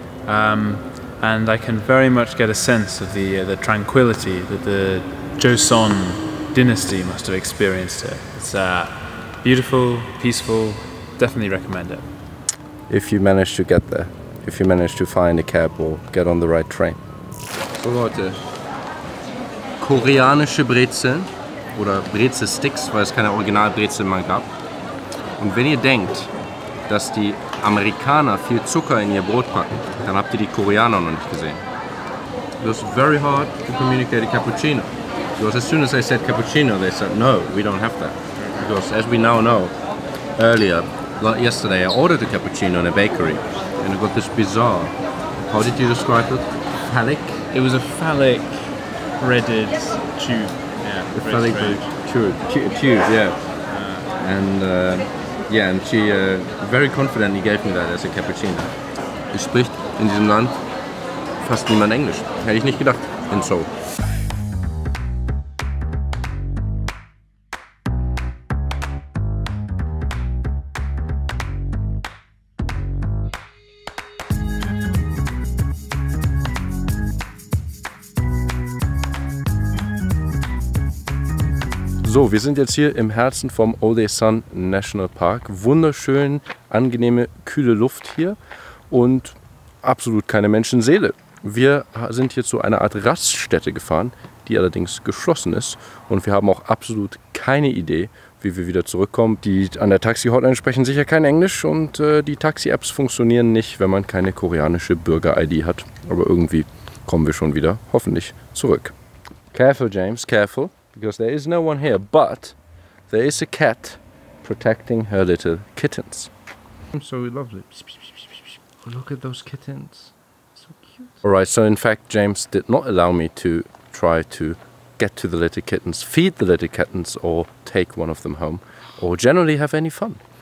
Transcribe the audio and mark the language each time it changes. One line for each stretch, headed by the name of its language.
English: And I can very much get a sense of the tranquility that the Joseon dynasty must have experienced here. It's beautiful, peaceful, definitely recommend it. If you manage to get there, if you manage to find a cab or get on the right train.
German: So Leute, koreanische Brezeln oder Brezelsticks, weil es keine Originalbrezeln mehr gab. Und wenn ihr denkt, dass die Amerikaner viel Zucker in ihr Brot packen, dann habt ihr die Koreaner noch nicht gesehen.
English: It was very hard to communicate a cappuccino. Because as soon as I said cappuccino, they said, no, we don't have that. Because as we now know, earlier, like yesterday, I ordered a cappuccino in a bakery and I got this bizarre, how did you describe it? Phallic? It was a phallic threaded tube. Yeah, a phallic tube, yeah. And she very confidently gave me that as a cappuccino.
German: Es spricht in diesem Land fast niemand Englisch. Hätte ich nicht gedacht, in Seoul.
English: We'll be right back.
German: So, wir sind jetzt hier im Herzen vom Odesan National Park. Wunderschön, angenehme, kühle Luft hier und absolut keine Menschenseele. Wir sind hier zu einer Art Raststätte gefahren, die allerdings geschlossen ist. Und wir haben auch absolut keine Idee, wie wir wieder zurückkommen. Die an der Taxi-Hotline sprechen sicher kein Englisch und die Taxi-Apps funktionieren nicht, wenn man keine koreanische Bürger-ID hat. Aber irgendwie kommen wir schon wieder, hoffentlich, zurück.
English: Careful, James, careful, because there is no one here, but there is a cat protecting her little kittens. So lovely. Oh, look at those kittens. So cute. All right, so in fact, James did not allow me to try to get to the little kittens, feed the little kittens, or take one of them home, or generally have any fun.